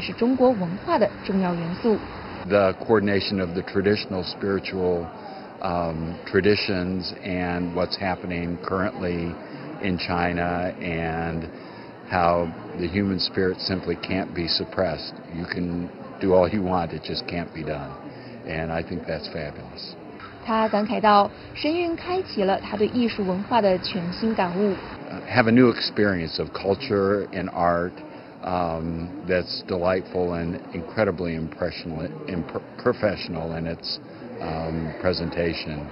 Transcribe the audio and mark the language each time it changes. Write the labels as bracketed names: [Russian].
[Chinese] 赞比瑞恩先生对神韵体现的精神价值印象深刻，他认为这种精神也是中国文化的重要元素。 [English] The coordination of the traditional spiritual traditions and what's happening currently in China and how the human spirit simply can't be suppressed. You can do all you want, it just can't be done. And I think that's fabulous. [Chinese] 他感慨到，神韵开启了他对艺术文化的全新感悟。 [English] Have a new experience of culture and art that's delightful and incredibly impressional and professional in its presentation.